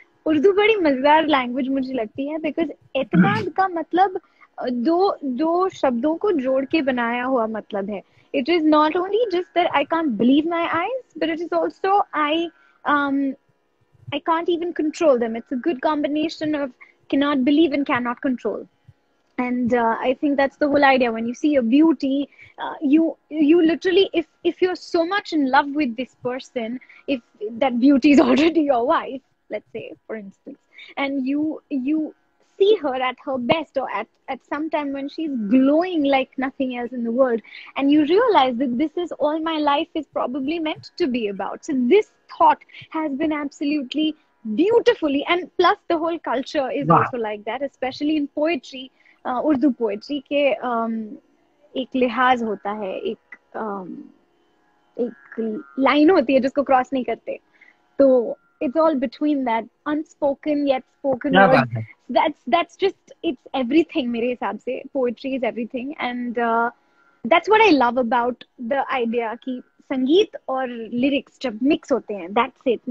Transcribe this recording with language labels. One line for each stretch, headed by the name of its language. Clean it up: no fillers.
Hindi: उर्दू बड़ी मजेदार लैंग्वेज मुझे लगती है, बिकॉज एतमाद का मतलब दो दो शब्दों को जोड़ के बनाया हुआ मतलब है.
English: It is not only just that I can't believe my eyes, but it is also I I can't even control them. It's a good combination of can not believe and can not control. And I think that's the whole idea. When you see a beauty, you literally, if you're so much in love with this person, if that beauty is already your wife, let's say, for instance, and you see her at her best or at some time when she's glowing like nothing else in the world, and you realize that this is all my life is probably meant to be about. So this thought has been absolutely beautifully, and plus the whole culture is wow. also like that, especially in poetry.
Hindi: Urdu poetry के एक लिहाज होता है, एक एक line होती है जिसको क्रॉस नहीं करते.
English: तो it's all between that unspoken yet spoken word. That's just it's everything
Hindi: मेरे हिसाब से.
English: poetry is everything and that's what I love about the idea
Hindi: कि संगीत और लिरिक्स जब मिक्स होते हैं
English: That's it.